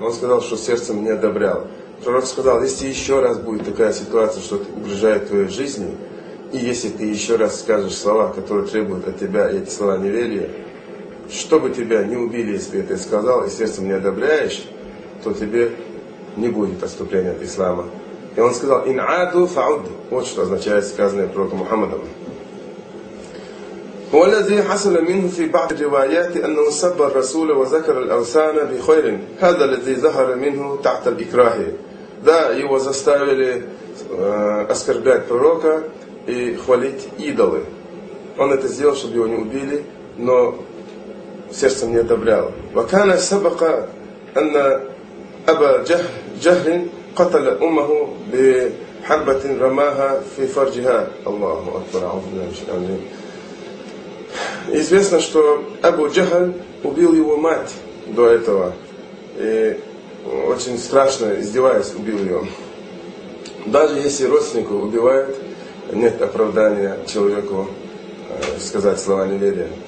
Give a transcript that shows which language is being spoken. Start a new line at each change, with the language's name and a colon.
Russian: Он сказал, что сердцем не одобрял. Пророк сказал, если еще раз будет такая ситуация, что угрожает твоей жизни, и если ты еще раз скажешь слова, которые требуют от тебя, и эти слова неверия, чтобы тебя не убили, если ты это сказал, и сердцем не одобряешь, то тебе не будет отступления от ислама. И он сказал,
Arabic: «Ин аду фауд»,
Russian: вот что означает сказанное пророком Мухаммадом.
Arabic: والذي حصل منه في بعض الروايات أنه سب الرسول وذكر الأوثان بخير هذا الذي ظهر منه تحت الإكراه ذا
Russian: его заставили оскорблять пророка и хвалить идолы.
Arabic: Он это сделал, чтобы его не убили, но сердцем не одобрял. وكان سبق أن أبا جهل قتل أمه بحربة رماها في فرجها. الله أكبر. آمين.
Russian: Известно, что Абу Джахаль убил его мать до этого. И очень страшно, издеваясь, убил ее. Даже если родственника убивают, нет оправдания человеку сказать слова неверия.